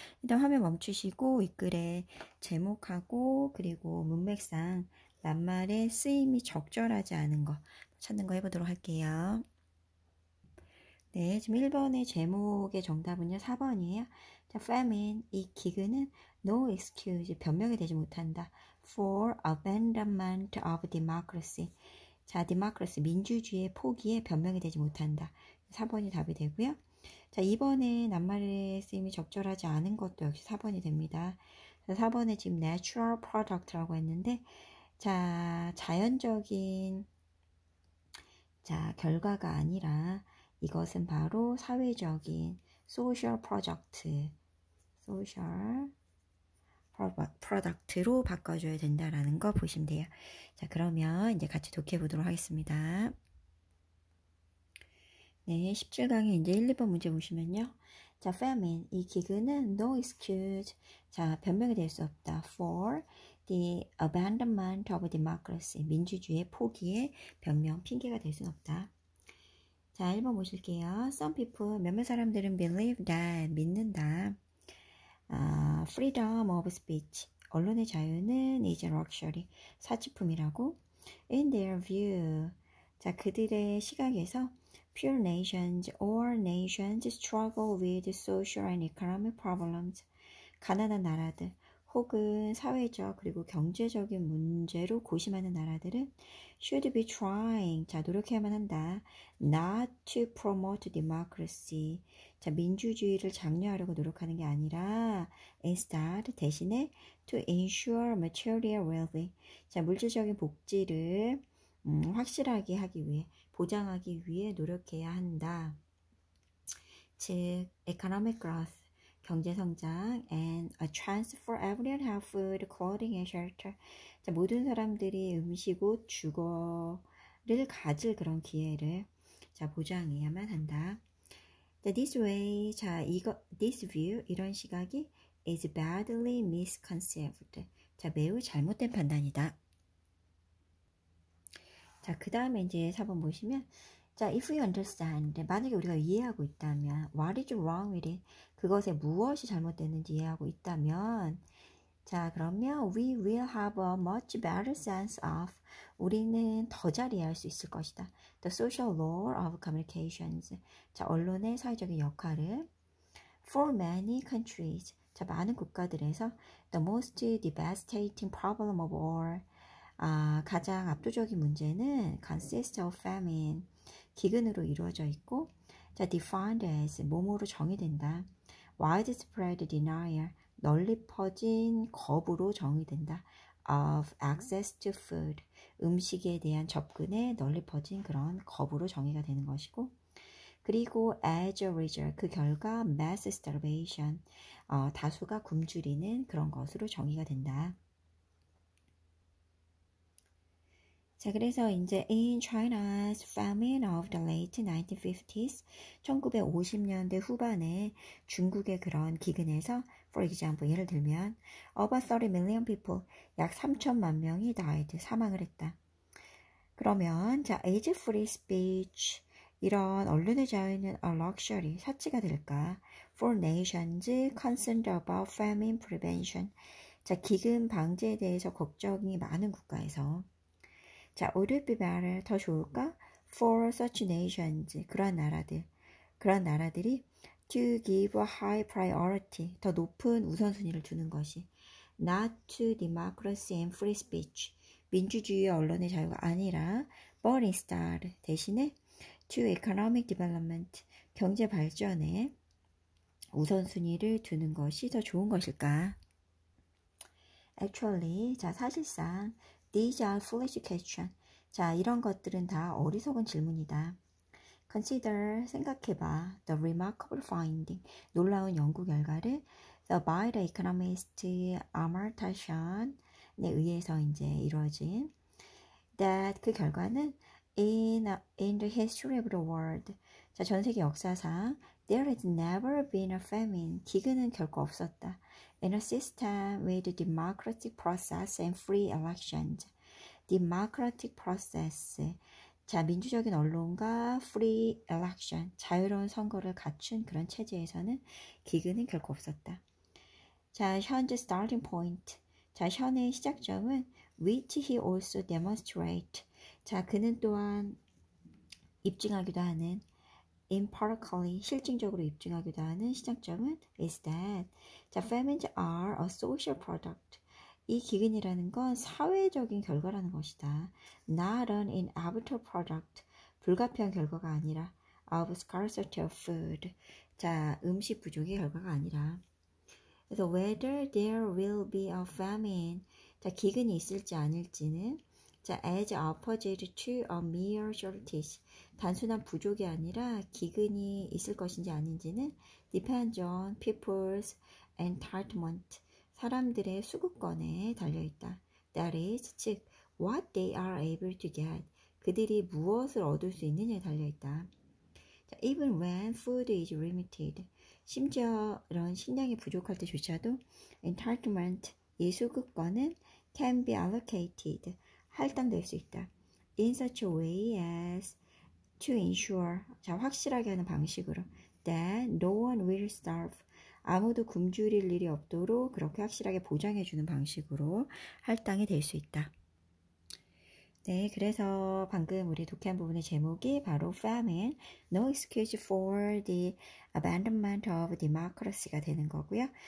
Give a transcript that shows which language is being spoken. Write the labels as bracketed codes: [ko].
[ko] 일단 화면 멈추시고 윗글에 제목하고 그리고 문맥상 낱말의 쓰임이 적절하지 않은 거 찾는 거 해보도록 할게요. 네, 지금 1번의 제목의 정답은요, 4번이에요. 자, [en] famine, 이 기근은 no excuse, [ko] 변명이 되지 못한다. [en] for abandonment of democracy. [ko] 자, [en] democracy, [ko] 민주주의의 포기에 변명이 되지 못한다. 4번이 답이 되고요. 자, 2번에 낱말의 쓰임이 적절하지 않은 것도 역시 4번이 됩니다. 4번에 지금 [en] natural product [ko] 라고 했는데, 자, 자연적인, 자, 결과가 아니라 이것은 바로 사회적인 [en] social product, social product [ko] 로 바꿔줘야 된다라는 거 보시면 돼요. 자, 그러면 이제 같이 독해 보도록 하겠습니다. 네, 17강의 이제 1, 2번 문제 보시면요. 자, famine, 이 기근은 [en] no excuse, [ko] 자, 변명이 될수 없다. [en] for the abandonment of democracy, [ko] 민주주의 포기에 변명, 핑계가 될순 없다. 자, 1번 보실게요. [en] Some people, [ko] 몇몇 사람들은 [en] believe that, [ko] 믿는다. [en] freedom of speech. [ko] 언론의 자유는 [en] is a luxury. [ko] 사치품이라고. [en] In their view. 자, [ko] 그들의 시각에서 [en] few nations or nations struggle with social and economic problems. [ko] 가난한 나라들 혹은 사회적 그리고 경제적인 문제로 고심하는 나라들은 [en] should be trying. [ko] 자, 노력해야만 한다. [en] not to promote democracy. [ko] 자, 민주주의를 장려하려고 노력하는 게 아니라 [en] instead [ko] 대신에 [en] to ensure material well-being. [ko] 자, 물질적인 복지를 확실하게 하기 위해 보장하기 위해 노력해야 한다. [en] 즉, economic growth, [ko] 경제 성장 [en] and a chance for everyone to have food, clothing and shelter. [ko] 자, 모든 사람들이 음식 옷 주거를 가질 그런 기회를 자, 보장해야만 한다. [en] This way, 자, 이거, this view, [ko] 이런 시각이 [en] is badly misconceived. [ko] 자, 매우 잘못된 판단이다. 자, 그 다음에 이제 4번 보시면, 자, [en] if we understand, [ko] 만약에 우리가 이해하고 있다면, [en] what is wrong with it? [ko] 그것에 무엇이 잘못됐는지 이해하고 있다면, 자, 그러면 [en] we will have a much better sense of, [ko] 우리는 더잘 이해할 수 있을 것이다. [en] The social role of communications. [ko] 자, 언론의 사회적인 역할을. [en] For many countries. 자, [ko] 많은 국가들에서 [en] the most devastating problem of all. [ko] 아, 가장 압도적인 문제는 [en] consists of famine. [ko] 기근으로 이루어져 있고, 자, [en] defined as, [ko] 몸으로 정의된다. [en] widespread denial. [ko] 널리 퍼진 거부로 정의된다. [en] of access to food. [ko] 음식에 대한 접근에 널리 퍼진 그런 거부로 정의가 되는 것이고. [en] 그리고 as a result, [ko] 그 결과 [en] mass starvation. [ko] 다수가 굶주리는 그런 것으로 정의가 된다. [en] 자, 그래서 이제 in China's famine of the late 1950s, [ko] 1950년대 후반에 중국의 그런 기근에서 [en] For example, [ko] 예를 들면, [en] about 30 million people, [ko] 약 3천만 명이 [en] died, [ko] 사망을 했다. 그러면, 자, [en] age free speech, [ko] 이런 언론의 자유는 [en] a luxury, [ko] 사치가 될까? [en] For nations concerned about famine prevention, 자, [ko] 기근 방지에 대해서 걱정이 많은 국가에서. 자, [en] would it be better, [ko] 더 좋을까? [en] For such nations, [ko] 그러한 나라들, 그러한 나라들이 [en] To give a high priority, [ko] 더 높은 우선순위를 두는 것이. [en] Not to democracy and free speech, [ko] 민주주의 언론의 자유가 아니라, [en] but instead, [ko] 대신에, [en] to economic development, [ko] 경제 발전에 우선순위를 두는 것이 더 좋은 것일까? [en] Actually, 자, [ko] 사실상, [en] these are foolish questions. [ko] 자, 이런 것들은 다 어리석은 질문이다. [en] Consider, [ko] 생각해봐. [en] The remarkable finding, [ko] 놀라운 연구 결과를 [en] by the economist Amartya Sen에 의해서 [ko] 이제 이루어진 [en] that [ko] 그 결과는 [en] in the history of the world, 자, [ko] 전 세계 역사상 [en] there has never been a famine, [ko] 기근은 결코 없었다. [en] In a system with democratic process and free elections, democratic process. [ko] 자, 민주적인 언론과 [en] free election, [ko] 자유로운 선거를 갖춘 그런 체제에서는 기근은 결코 없었다. [en] 자, 현재 starting point. 자, [ko] 현의 시작점은 [en] which he also demonstrate. [ko] 자, 그는 또한 입증하기도 하는 empirically 실증적으로 입증하기도 하는 시작점은 [en] is that [ko] 자, [en] famines are a social product. [ko] 이 기근이라는 건 사회적인 결과라는 것이다. [en] Not an inevitable product. [ko] 불가피한 결과가 아니라 [en] of scarcity of food. [ko] 자, 음식 부족의 결과가 아니라. [en] So whether there will be a famine. [ko] 자, 기근이 있을지 아닐지는 자, [en] as opposed to a mere shortage. [ko] 단순한 부족이 아니라 기근이 있을 것인지 아닌지는 [en] depends on people's entitlement. [ko] 사람들의 수급권에 달려있다. [en] That is, [ko] 즉, [en] what they are able to get. [ko] 그들이 무엇을 얻을 수 있느냐에 달려있다. [en] Even when food is limited. [ko] 심지어 이런 식량이 부족할 때조차도 entitlement, 이 수급권은 [en] can be allocated, [ko] 할당될 수 있다. [en] In such a way as to ensure, 자, [ko] 확실하게 하는 방식으로 [en] that no one will starve. [ko] 아무도 굶주릴 일이 없도록 그렇게 확실하게 보장해 주는 방식으로 할당이 될수 있다. 네, 그래서 방금 우리 독해한 부분의 제목이 바로 [en] Famine, No Excuse for the Abandonment of Democracy [ko] 가 되는 거고요.